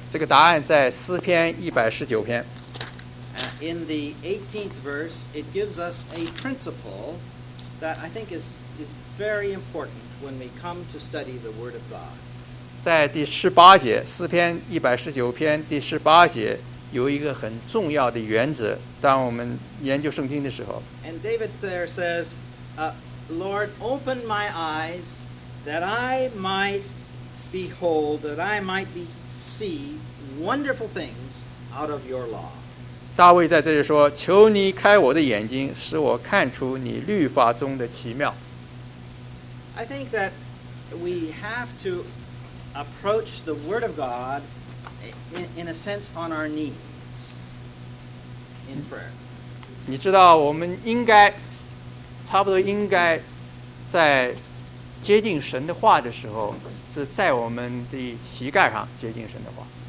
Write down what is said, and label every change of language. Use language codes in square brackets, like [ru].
[zh] 这个答案在诗篇一百十九篇。 [en] In the 18th verse, it gives us a principle that I think is very important when we come to study the Word of God. [zh] 在第十八节，诗篇一百十九篇第十八节有一个很重要的原则，当我们研究圣经的时候。 [en] And David there says, Lord, open my eyes that I might behold, that I might be see wonderful things out of your law. [zh] 大卫在这里说，求你开我的眼睛，使我看出你律法中的奇妙。 [en] I think that we have to approach the Word of God in a sense on our knees in prayer. [zh] 你知道我们应该差不多应该在接近神的话的时候是在我们的膝盖上接近神的话。